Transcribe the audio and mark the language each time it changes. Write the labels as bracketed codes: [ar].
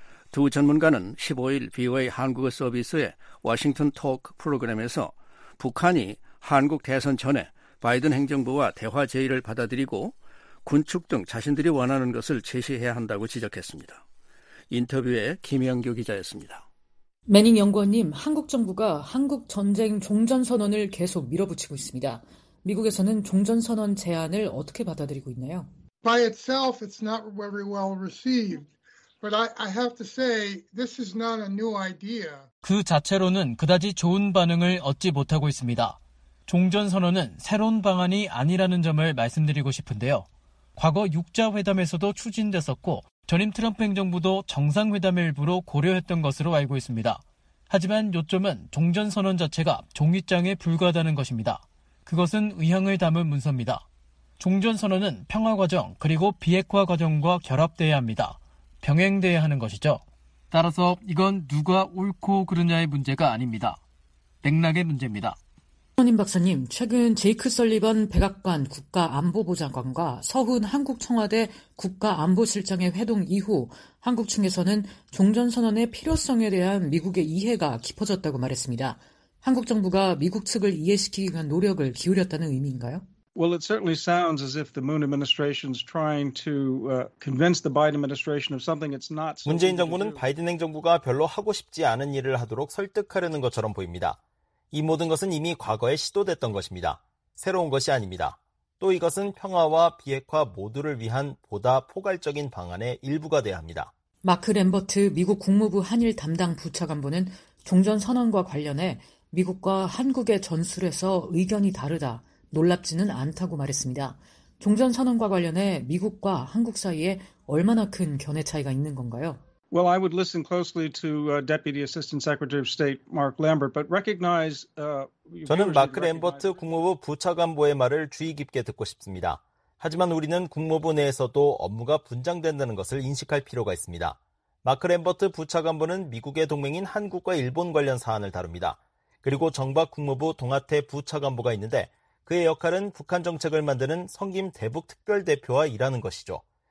[ko] 두 전문가는 15일 VOA 한국어 서비스의 워싱턴 토크 프로그램에서 북한이 한국 대선 전에 바이든 행정부와 대화 제의를 받아들이고 군축 등 자신들이 원하는 것을 제시해야 한다고 지적했습니다. 인터뷰에 김영규 기자였습니다. 매닝 연구원님, 한국 정부가 한국 전쟁 종전선언을 계속 밀어붙이고 있습니다. 미국에서는 종전선언 제안을 어떻게 받아들이고 있나요? [en] By itself, it's not very well received. But I have to say, this is not a new idea. [ko] 그 자체로는 그다지 좋은 반응을 얻지 못하고 있습니다. 종전선언은 새로운 방안이 아니라는 점을 말씀드리고 싶은데요. 과거 6자회담에서도 추진됐었고, 전임 트럼프 행정부도 정상회담의 일부로 고려했던 것으로 알고 있습니다. 하지만 요점은 종전선언 자체가 종이장에 불과하다는 것입니다. 그것은 의향을 담은 문서입니다. 종전선언은 평화과정 그리고 비핵화 과정과 결합돼야 합니다. 병행돼야 하는 것이죠. 따라서 이건 누가 옳고 그르냐의 문제가 아닙니다. 맥락의 문제입니다. 선임 박사님, 최근 제이크 설리번 백악관 국가안보보좌관과 서훈 한국청와대 국가안보실장의 회동 이후 한국 측에서는 종전선언의 필요성에 대한 미국의 이해가 깊어졌다고 말했습니다. 한국 정부가 미국 측을 이해시키기 위한 노력을 기울였다는 의미인가요? [en] Well, it certainly sounds as if the Moon administration is trying to convince the Biden administration of something it's not. [ko] 문재인 정부는 바이든 행정부가 별로 하고 싶지 않은 일을 하도록 설득하려는 것처럼 보입니다. 이 모든 것은 이미 과거에 시도됐던 것입니다. 새로운 것이 아닙니다. 또 이것은 평화와 비핵화 모두를 위한 보다 포괄적인 방안의 일부가 돼야 합니다. 마크 램버트 미국 국무부 한일 담당 부차관보는 종전선언과 관련해 미국과 한국의 전술에서 의견이 다르다, 놀랍지는 않다고 말했습니다. 종전선언과 관련해 미국과 한국 사이에 얼마나 큰 견해 차이가 있는 건가요? [en] Well, I would listen closely to Deputy Assistant Secretary of State Mark Lambert, but recognize. [ko] 저는 마크 램버트 국무부 부차관보의 말을 주의 깊게 듣고 싶습니다. 하지만 우리는 국무부 내에서도 업무가 분장된다는 것을 인식할 필요가 있습니다. 마크 램버트 부차관보는 미국의 동맹인 한국과 일본 관련 사안을 다룹니다. 그리고 정박 국무부 동아태 부차관보가 있는데 그의 역할은 북한 정책을 만드는 성김 대북 특별대표와 일하는 것이죠.